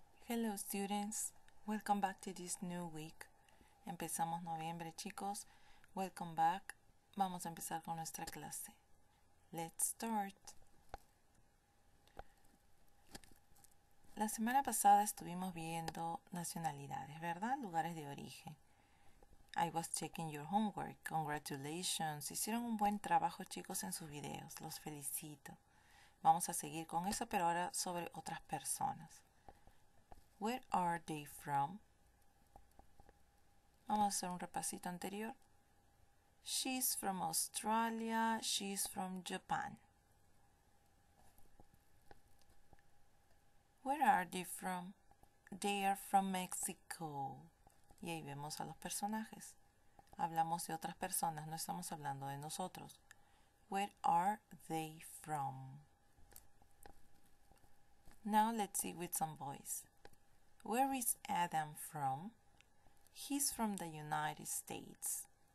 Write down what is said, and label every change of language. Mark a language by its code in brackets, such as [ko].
[en] Hello students, welcome back to this new week. [es] Empezamos noviembre, chicos. [en] Welcome back. [es] Vamos a empezar con nuestra clase. [en] Let's start. [es] La semana pasada estuvimos viendo nacionalidades, ¿verdad? Lugares de origen. [en] I was checking your homework. Congratulations. [es] Hicieron un buen trabajo, chicos, en sus videos. Los felicito. Vamos a seguir con eso, pero ahora sobre otras personas. [en] Where are they from? [es] Vamos a hacer un repasito anterior. [en] She's from Australia. She's from Japan. Where are they from? They are from Mexico. [es] Y ahí vemos a los personajes. Hablamos de otras personas, no estamos hablando de nosotros. [en] Where are they from? Now let's see with some boys. Where is Adam from? He's from the United States.